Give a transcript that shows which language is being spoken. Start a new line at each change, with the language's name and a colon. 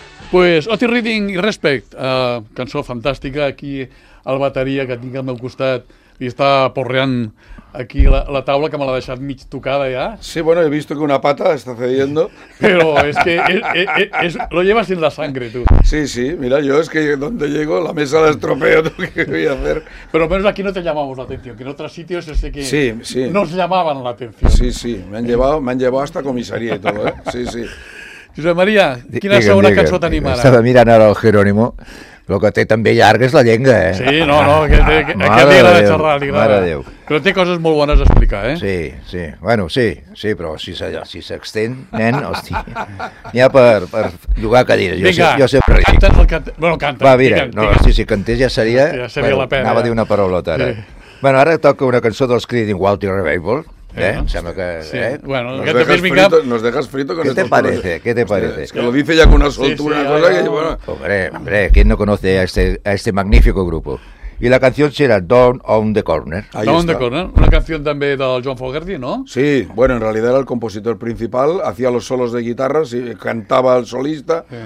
Catalan: Pues Otis Redding i Respect, cançó fantàstica, aquí el bateria que tinc al meu costat li està porreant aquí la taula, que me l'ha deixat mig tocada ja.
Spanish: Sí, bueno, he visto que una pata está cediendo. Pero es que lo llevas en la sangre, tú. Sí, sí, mira, yo es que donde llego la mesa la estropeo, ¿tú qué voy a hacer? Pero menos aquí no te llamamos la atención, que en otros sitios sé que sí, sí. Nos llamaban la atención. Sí, sí, me han llevado hasta comisaría y todo, ¿eh? Sí, sí.
Catalan: Josep Maria, quina és una cançó tan animada? Estava mirant ara el Jerónimo. El que té també llarga és la llengua, eh? Sí, no, aquest dia l'ha de xerrar, li agrada. Mare de Déu. Però té coses molt bones a explicar, eh? Sí, sí. Bueno, sí, sí, però si s'extén, nen, hosti. N'hi ha per llogar cadires. Vinga, canta el que... Bueno, canta. Va, mira, no, si cantés ja seria... Ja seria la pena. Anava a dir una paraulota, ara. Sí. Bueno, ara toca una cançó dels Creedence Clearwater Revival. Sembla que,
Spanish: sí. Nos dejas frito con ¿Qué te parece? ¿Qué te parece? Es que lo dice ya con una soltura, sí, sí, cosa que, bueno. Hombre, ¿quién no conoce a este magnífico grupo? Y la canción será Down on the Corner. Ahí Down on the Corner, una canción también del John Fogerty, ¿no? Sí, bueno, en realidad era el compositor principal, hacía los solos de guitarra, sí, cantaba el solista, sí.